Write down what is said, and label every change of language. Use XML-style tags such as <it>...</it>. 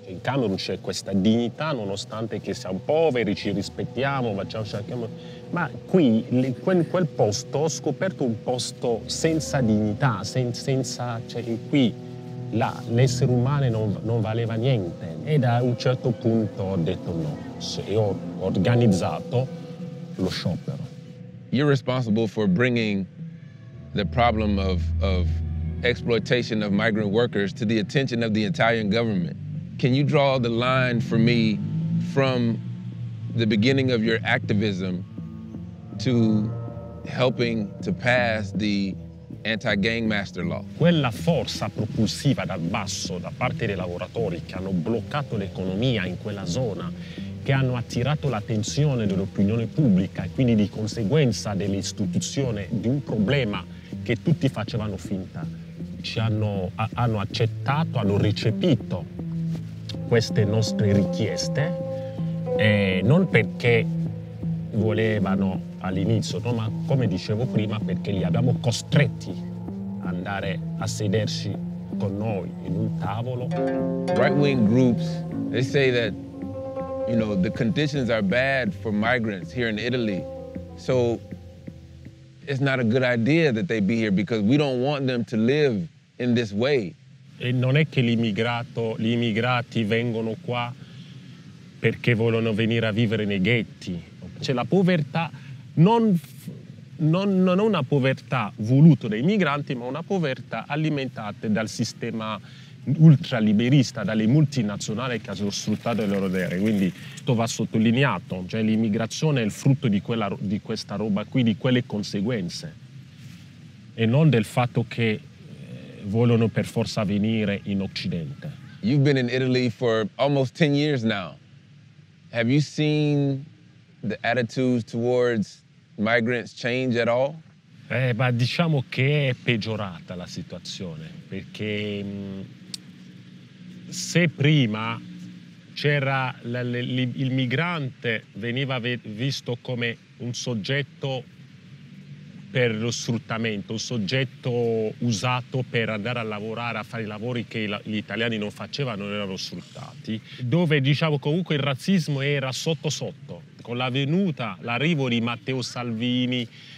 <it>In Camerun c'è questa dignità, nonostante che siamo poveri, ci rispettiamo, facciamo. Ma qui, in quel posto, ho scoperto un posto senza dignità, senza. Cioè, qui, là, l'essere umano non valeva niente. E da un certo punto ho detto no. Se io ho organizzato lo sciopero.</it> <en>You're responsible for bringing the problem of exploitation of migrant workers to the attention of the Italian government. Can you draw the line for me from the beginning of your activism to helping to pass the anti-gang master law?</en> <it>Quella forza propulsiva dal basso da parte dei lavoratori che hanno bloccato l'economia in quella zona, che hanno attirato l'attenzione dell'opinione pubblica e quindi di conseguenza dell'istituzione di un problema che tutti facevano finta, hanno accettato, hanno recepito queste nostre richieste, non perché volevano all'inizio, no, ma come dicevo prima, perché li abbiamo costretti ad andare a sedersi con noi in un tavolo.</it> <en>Right-wing groups, they say that, you know, the conditions are bad for migrants here in Italy, so it's not a good idea that they be here because we don't want them to live in this way.</en> <it>E non è che gli immigrati vengono qua perché vogliono venire a vivere nei ghetti. C'è la povertà, non è una povertà voluta dai migranti, ma una povertà alimentata dal sistema ultraliberista, dalle multinazionali che hanno sfruttato le loro terre. Quindi tutto va sottolineato, cioè l'immigrazione è il frutto di questa roba qui, di quelle conseguenze, e non del fatto che vogliono per forza venire in Occidente.</it> <en>You've been in Italy for almost 10 years now. Have you seen the attitudes towards migrants change at all?</en> <it>Ma diciamo che è peggiorata la situazione, perché se prima c'era il migrante veniva visto come un soggetto per lo sfruttamento, un soggetto usato per andare a lavorare, a fare i lavori che gli italiani non facevano, non erano sfruttati, dove diciamo comunque il razzismo era sotto sotto, con l'arrivo di Matteo Salvini,</it>